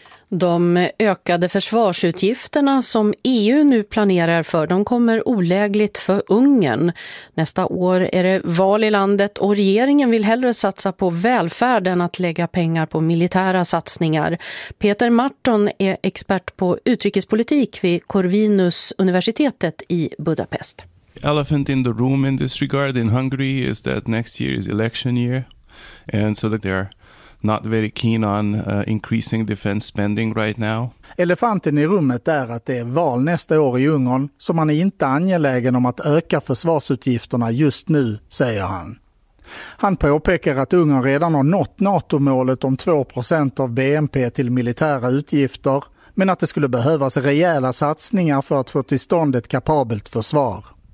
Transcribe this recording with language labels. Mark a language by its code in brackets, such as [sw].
[sv] De ökade försvarsutgifterna som EU nu planerar för, de kommer olägligt för Ungern. Nästa år är det val i landet och regeringen vill hellre satsa på välfärden att lägga pengar på militära satsningar. Peter Marton är expert på utrikespolitik vid Corvinus universitetet i Budapest. [en] Elephant in the room in this regard in Hungary is that next year is election year, and so that they are not very keen on increasing defense spending right now. [sv] Elefanten i rummet är att det är val nästa år i Ungern, så man är inte angelägen om att öka försvarsutgifterna just nu, säger han. Han påpekar att Ungern redan har nått NATO-målet om 2% av BNP till militära utgifter, men att det skulle behövas rejäla satsningar för att få till stånd ett kapabelt försvar.